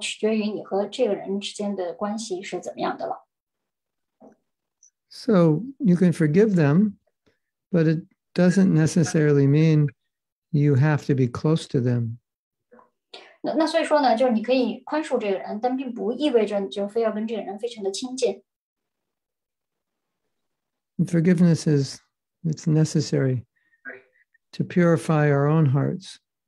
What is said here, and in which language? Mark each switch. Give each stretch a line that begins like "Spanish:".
Chinese: 但是呢，在你原谅之后，你和这个人继续的这个交流方式，要取决于你和这个人之间的关系是怎么样的了。
English: So you can forgive them, but it doesn't necessarily mean you have to be close to them.
Chinese: 那所以说呢，就是你可以宽恕这个人，但并不意味着你就非要跟这个人非常的亲近。
English: Forgiveness is necessary to purify our own hearts.